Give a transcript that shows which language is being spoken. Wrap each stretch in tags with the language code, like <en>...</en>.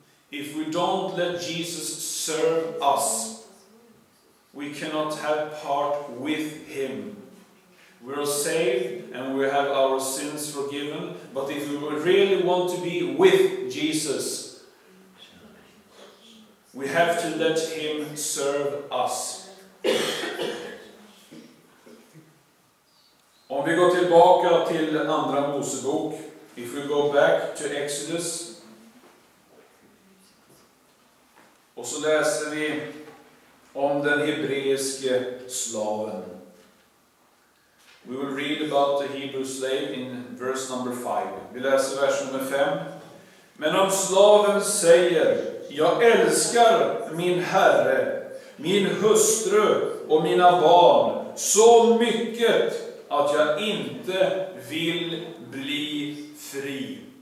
<en>If we don't let Jesus serve us, we cannot have part with him. We are saved and we have our sins forgiven, but if we really want to be with Jesus, we have to let him serve us.</en> <sv>Om vi går tillbaka till andra Mosebok,</sv> <en>if we go back to Exodus,</en> <sv>och så läser vi om den hebreiske slaven.</sv> <en>We will read about the Hebrew slave in verse number 5.</en> <sv>Vi läser vers nummer 5. Men om slaven säger, jag älskar min herre, min hustru och mina barn så mycket att jag inte vill bli fri.</sv>